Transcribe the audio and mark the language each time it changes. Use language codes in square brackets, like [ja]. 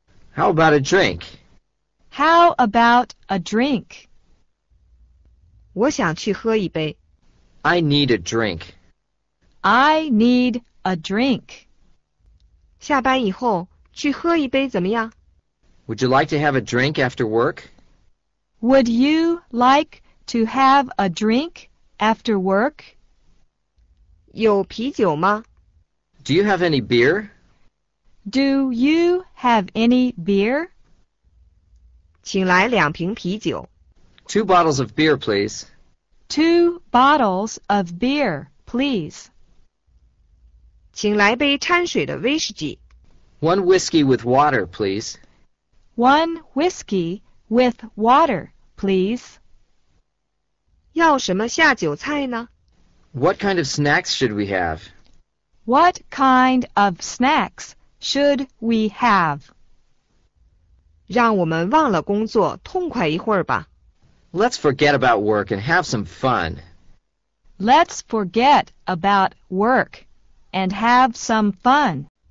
[en] How about a drink? How about a drink? [zh] 我想去喝一杯。 [en] I need a drink. I need a drink. [zh] 下班以后去喝一杯怎么样？ [en] Would you like to have a drink after work? Would you like to have a drink after work? [zh] 有啤酒吗？ [en] Do you have any beer? Do you have any beer? [zh] 请来两瓶啤酒。 [en] Two bottles of beer, please. Two bottles of beer, please. [zh] 请来杯掺水的威士忌。 [en] One whiskey with water, please. One whiskey with water, please. [zh] 要什么下酒菜呢？ [en] What kind of snacks should we have? What kind of snacks should we have? [zh] 让我们忘了工作，痛快一会儿吧。 [en] Let's forget about work and have some fun. Let's forget about work and have some fun.